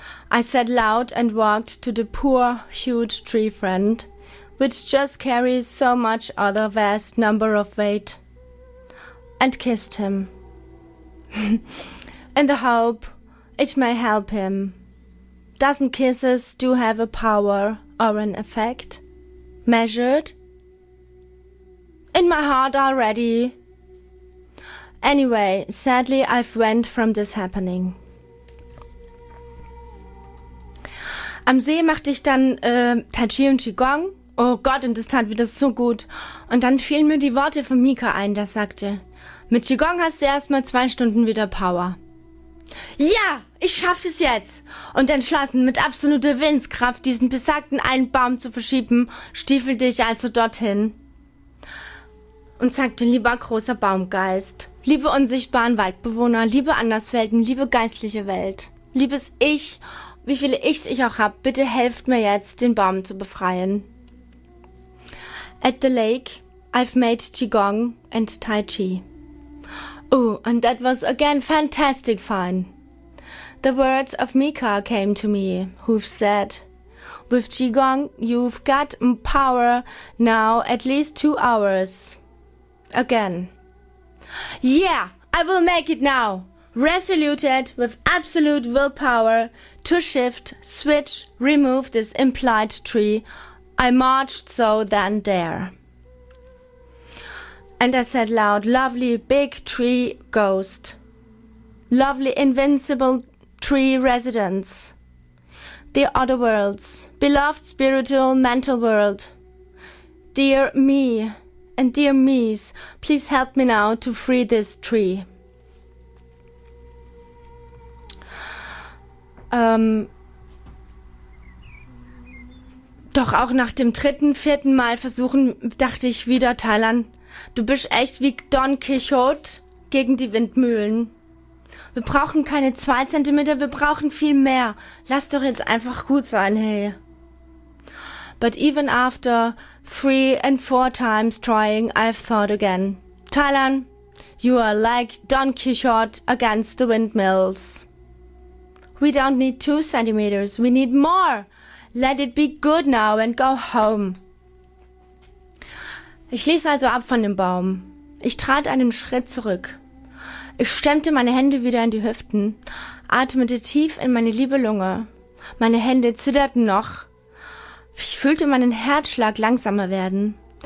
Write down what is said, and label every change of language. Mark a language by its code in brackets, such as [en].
[en] I said loud and walked to the poor huge tree friend, which just carries so much other vast number of weight, and kissed him, in the hope it may help him. Doesn't kisses do have a power or an effect? Measured? In my heart already. Anyway, sadly, I've went from this happening. [de] Am See machte ich dann Tai Chi und Qigong. Oh Gott, und das tat wieder so gut. Und dann fielen mir die Worte von Mika ein, der sagte, mit Qigong hast du erstmal 2 Stunden wieder Power. Ja, ich schaffe es jetzt. Und entschlossen, mit absoluter Willenskraft diesen besagten einen Baum zu verschieben, stiefelte ich also dorthin. Und sagte, lieber großer Baumgeist, liebe unsichtbaren Waldbewohner, liebe Anderswelten, liebe geistliche Welt, liebes Ich, wie viele Ichs ich auch hab, bitte helft mir jetzt, den Baum zu befreien. [en] At the lake, I've made Qigong and Tai Chi. Oh, and that was again fantastic fun. The words of Mika came to me, who've said, with Qigong, you've got power now at least 2 hours. Again. Yeah, I will make it now. Resoluted with absolute willpower to shift, switch, remove this implied tree, I marched so then there. And I said loud, lovely big tree ghost, lovely invincible tree residents, the other worlds, beloved spiritual mental world, dear me, and dear Mies, please help me now to free this tree. [de] Doch auch nach dem dritten, vierten Mal versuchen, dachte ich wieder, Thailand, du bist echt wie Don Quixote gegen die Windmühlen. Wir brauchen keine 2 Zentimeter, wir brauchen viel mehr. Lass doch jetzt einfach gut sein, hey. [en] But even after 3 and 4 times trying, I've thought again. Thailand, you are like Don Quixote against the windmills. We don't need 2 centimeters, we need more. Let it be good now and go home. [de] Ich ließ also ab von dem Baum. Ich trat einen Schritt zurück. Ich stemmte meine Hände wieder in die Hüften, atmete tief in meine liebe Lunge. Meine Hände zitterten noch. Ich fühlte meinen Herzschlag langsamer werden.